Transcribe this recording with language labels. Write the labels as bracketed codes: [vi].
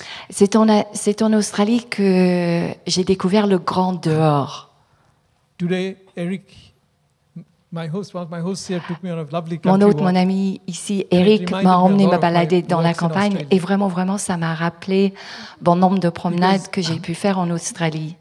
[fr] C'est en Australie que j'ai découvert le grand dehors. [en] Today, Eric, my host here took me on a lovely country. [fr] Mon hôte, mon ami ici, Eric, m'a emmené me balader dans la campagne et vraiment, ça m'a rappelé bon nombre de promenades que j'ai pu faire en Australie.